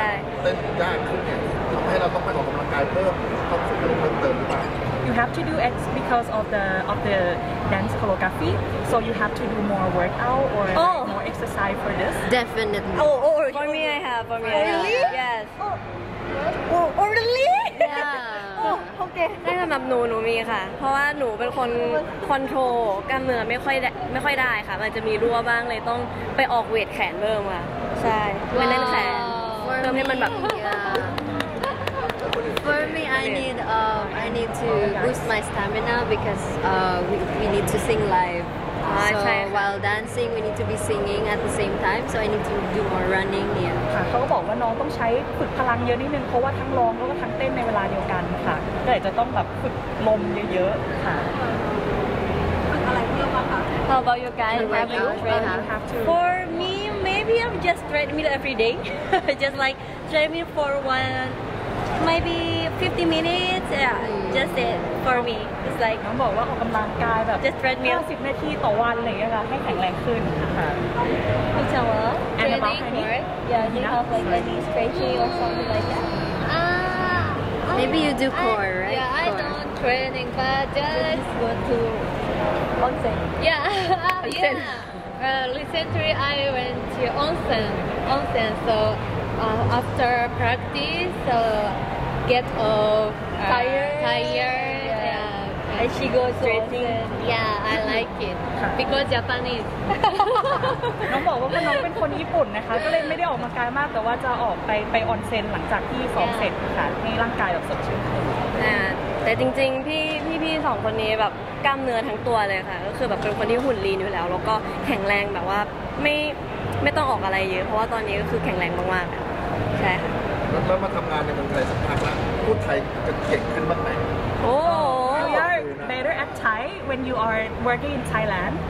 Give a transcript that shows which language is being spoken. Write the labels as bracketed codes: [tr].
[th] เต้นยากขึ้นเนี่ยทำให้เราต้องไปออกกำลังกายเพิ่มต้องฝึกเพิ่มเติมหรือเปล่า [en] You have to do it because of the dance choreography so you have to do more workout or more exercise for this Definitely Oh for me Yes Oh really Yeah Okay [th] ได้สำหรับหนูมีค่ะเพราะว่าหนูเป็นคนคอนโทรลกล้ามเนื้อไม่ค่อยได้ค่ะมันจะมีรั่วบ้างเลยต้องไปออกเวทแขนเพิ่มค่ะใช่ไปเล่นแขนเพิ่มให้มันแบบ [en] For me I need to boost my stamina because we need to sing live. So while dancing we need to be singing at the same time. So I need to do more running. [th] เขาบอกว่าน้องต้องใช้ฝึกพลังเยอะนิดนึงเพราะว่าทั้งร้องแล้วก็ทั้งเต้นในเวลาเดียวกันค่ะก็อาจจะต้องแบบฝึกลมเยอะๆค่ะ [en] How about you guys? Have you trained? For me, maybe I'm just treadmill every day. Just like treadmill for one, maybe 50 minutes. Yeah, just it for me. It's like. [th] น้องบอกว่าออกกำลังกายแบบ [en] just treadmill [th] 50นาทีต่อวันเลยนะคะให้แข็งแรงขึ้นค่ะ [en] Which one? And about any? Yeah, do you have like any stretching or something like that? Maybe you do core, right? Yeah, I don't training, but just go to. Onsen. Yeah, onsen. Yeah. Recently, I went to onsen. So after practice, so get off tired. Yeah, and she goes stretching. Yeah, I like it because Japanese. [th] น้องบอกว่าพี่น้องเป็นคนญี่ปุ่นนะคะก็เลยไม่ได้ออกมากายมากแต่ว่าจะออกไปออนเซนหลังจากที่ซ้อมเสร็จค่ะให้ร่างกายแบบสดชื่นขึ้นแต่จริงๆพี่สองคนนี้แบบกล้ามเนื้อทั้งตัวเลยค่ะก็คือแบบเป็นคนที่หุ่นลีนอยู่แล้วก็แข็งแรงแบบว่าไม่ต้องออกอะไรเยอะเพราะว่าตอนนี้ก็คือแข็งแรงมากๆใช่ค่ะ แล้วมาทำงานในเมืองไทยสักพักแล้วพูดไทยจะเก่งขึ้นบ้างไหม โอ้ [en] you are better at Thai when you are working in Thailand